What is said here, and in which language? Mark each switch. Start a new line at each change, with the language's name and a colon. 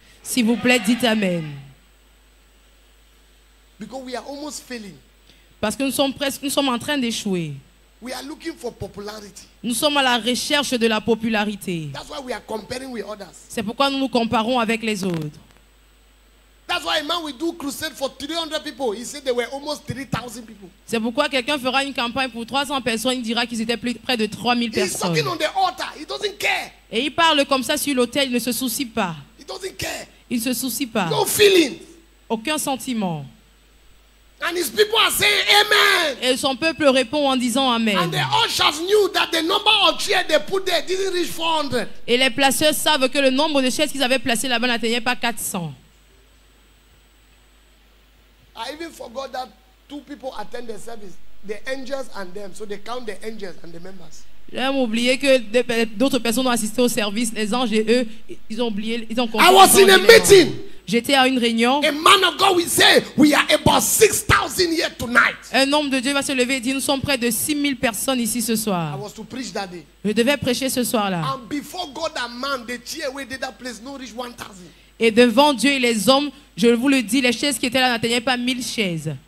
French: S'il vous plaît, dites amen.
English: Because we are almost failing.
French: Parce que nous sommes en train d'échouer.
English: We are looking for popularity.
French: Nous sommes à la recherche de la popularité.
English: That's why we are comparing with others.
French: C'est pourquoi nous nous comparons avec les autres.
English: That's why a man will do crusade for 300 people. He said there were almost 3,000 people.
French: C'est pourquoi quelqu'un fera une campagne pour 300 personnes. Il dira qu'ils étaient près de 3,000 personnes.
English: He's talking on the altar. He doesn't care.
French: Et il parle comme ça sur l'autel. Il ne se soucie pas.
English: He doesn't care.
French: Il ne se soucie pas.
English: No feeling.
French: Aucun sentiment.
English: And his people are saying amen.
French: Et son peuple répond en disant amen.
English: And the ushers knew that the number of chairs they put there didn't reach 400.
French: Et les placeurs savent que le nombre de chaises qu'ils avaient placées là-bas n'atteignait pas 400.
English: I even forgot that two people attend the service, the angels and them, so they count the angels and the members.
French: J'ai oublié que d'autres personnes ont assisté au service, les anges et eux, ils ont oublié, ils ont compris.
English: I was in a meeting.
French: J'étais à une réunion.
English: A man of God will say, we are about 6,000 here tonight.
French: Un homme de Dieu va se lever et dire, nous sommes près de 6,000 personnes ici ce soir.
English: I was to preach that day.
French: Je devais prêcher ce soir-là.
English: And before God and man, the chair where did that place not reach 1,000.
French: Et devant Dieu et les hommes, je vous le dis, les chaises qui étaient là n'atteignaient pas 1,000 chaises.